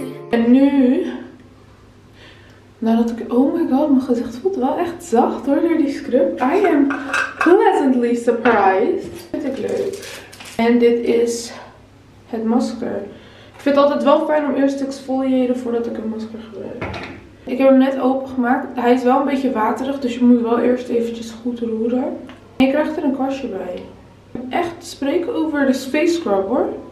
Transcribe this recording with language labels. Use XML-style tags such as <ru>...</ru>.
<nl>En nu, nadat ik,</nl> <en>oh my god,</en> <nl>mijn gezicht voelt wel echt zacht hoor door die scrub.</nl> <en>I am pleasantly surprised.</en> <nl>Vind ik leuk. En dit is het masker. Ik vind het altijd wel fijn om eerst te exfoliëren voordat ik een masker gebruik. Ik heb hem net opengemaakt. Hij is wel een beetje waterig, dus je moet wel eerst eventjes goed roeren. En je krijgt er een kwastje bij. Echt spreken over de face scrub hoor.</nl>